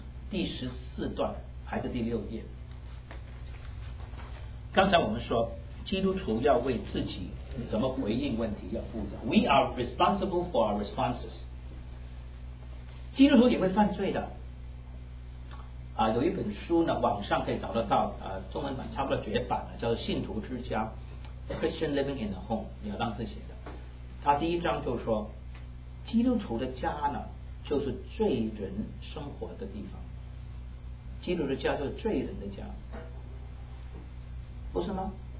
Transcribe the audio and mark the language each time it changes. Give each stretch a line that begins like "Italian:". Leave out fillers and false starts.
Chinese: 第十四段还是第六页，刚才我们说基督徒要为自己怎么回应问题要负责。
English: We are responsible for our responses。
Chinese: 基督徒也会犯罪的啊，有一本书呢网上可以找得到啊，中文版差不多绝版了，叫做信徒之家， Christian Living in the Home， 你要当时写的。他第一章就说基督徒的家呢就是罪人生活的地方，基督的家就是罪人的家，不是吗？